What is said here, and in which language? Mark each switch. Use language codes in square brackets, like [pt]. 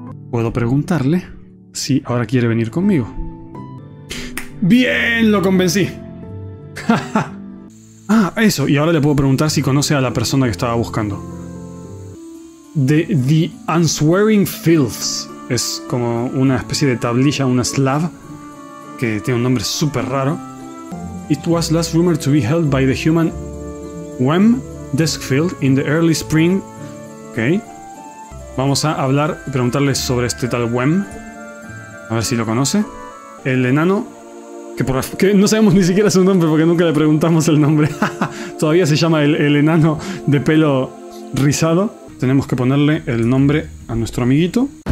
[es] Puedo preguntarle si ahora quiere venir conmigo. ¡Bien! Lo convencí. Ah, eso. Y ahora le puedo preguntar si conoce a la persona que estaba buscando. The Unswearing Filths. Es como una especie de tablilla, una slab, que tiene un nombre súper raro. [en] It was last rumored to be held by the human Wem Deskfield in the early spring. Ok. [es] Vamos a hablar y preguntarle sobre este tal Wem. A ver si lo conoce. El enano. Que no sabemos ni siquiera su nombre porque nunca le preguntamos el nombre. Todavía se llama el enano de pelo rizado. Tenemos que ponerle el nombre a nuestro amiguito.